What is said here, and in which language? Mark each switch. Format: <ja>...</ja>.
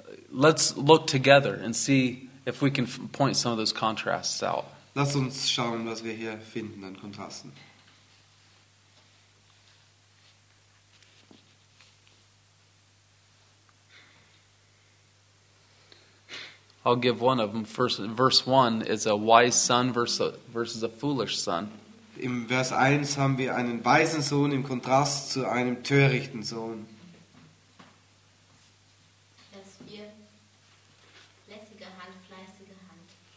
<en>Let's look together and see if we can point some of those contrasts out.</en> <de>Lass uns schauen, was wir hier finden an Kontrasten.</de> <en>I'll give one of them. First, verse 1 is a wise son versus a foolish son.</en> <de>Im Vers 1 haben wir einen weisen Sohn im Kontrast zu einem törichten Sohn. Vers 4. Lässige Hand, fleißige Hand.</de>